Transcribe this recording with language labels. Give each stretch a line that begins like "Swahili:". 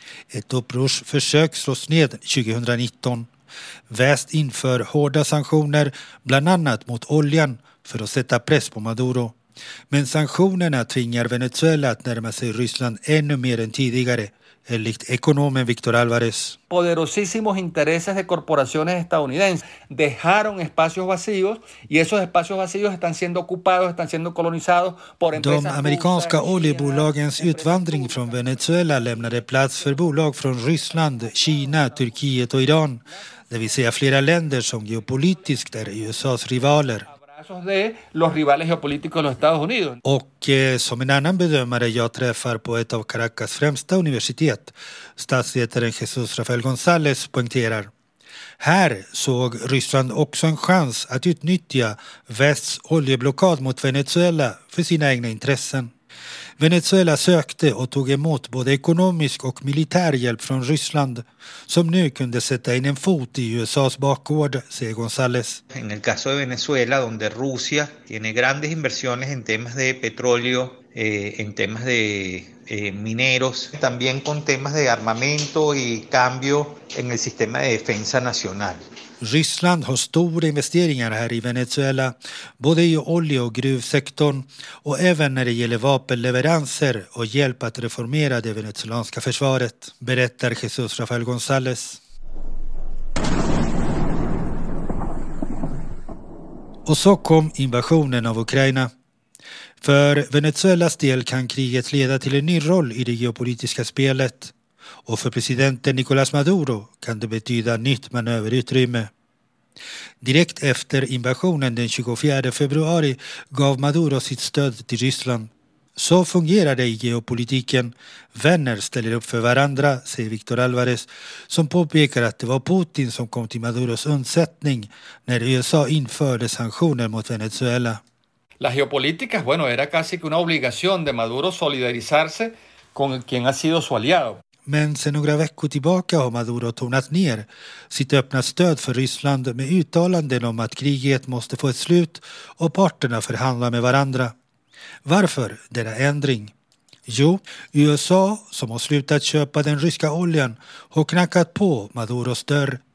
Swedish: Ett upprorsförsök slås ned 2019. Väst inför hårda sanktioner, bland annat mot oljan, för att sätta press på Maduro. Men sanktionerna tvingar Venezuela att närma sig Ryssland ännu mer än tidigare, enligt ekonomen Victor Álvarez.
Spanish: Poderosísimos intereses de corporaciones estadounidenses dejaron espacios vacíos y esos espacios vacíos están siendo ocupados, están siendo colonizados por empresas.
Swedish: De amerikanska oljebolagens utvandring från Venezuela lämnade plats för bolag från Ryssland, Kina, Turkiet och Iran, det vill säga flera länder som geopolitiskt är USA:s rivaler. Och som en annan bedömare jag träffar på ett av Caracas främsta universitet, statsvetaren Jesus Rafael González, poängterar. Här såg Ryssland också en chans att utnyttja västs oljeblockad mot Venezuela för sina egna intressen. Venezuela sökte och tog emot både ekonomisk och militär hjälp från Ryssland, som nu kunde sätta in en fot i USA:s bakgård, säger González.
Spanish: En el caso de Venezuela, donde Rusia tiene grandes inversiones en temas de petróleo, en temas de mineros, también con temas de armamento y cambio en el sistema de defensa nacional.
Swedish: Ryssland har stora investeringar här i Venezuela, både i olje- och gruvsektorn och även när det gäller vapenleveranser och hjälp att reformera det venezuelanska försvaret, berättar Jesus Rafael González. Och så kom invasionen av Ukraina. För Venezuelas del kan kriget leda till en ny roll i det geopolitiska spelet. Och för presidenten Nicolás Maduro kan det betyda nytt manöverutrymme. Direkt efter invasionen den 24 februari gav Maduro sitt stöd till Ryssland. Så fungerar det i geopolitiken. Vänner ställer upp för varandra, säger Victor Álvarez, som påpekar att det var Putin som kom till Maduros undsättning när USA införde sanktioner mot Venezuela.
Spanish: Las geopolíticas, bueno, era casi que una obligación de Maduro solidarizarse con quien ha sido su aliado.
Swedish: Men sen några veckor tillbaka har Maduro tonat ner sitt öppna stöd för Ryssland med uttalanden om att kriget måste få ett slut och parterna förhandlar med varandra. Varför denna ändring? Jo, USA, som har slutat köpa den ryska oljan, har knackat på Maduros dörr.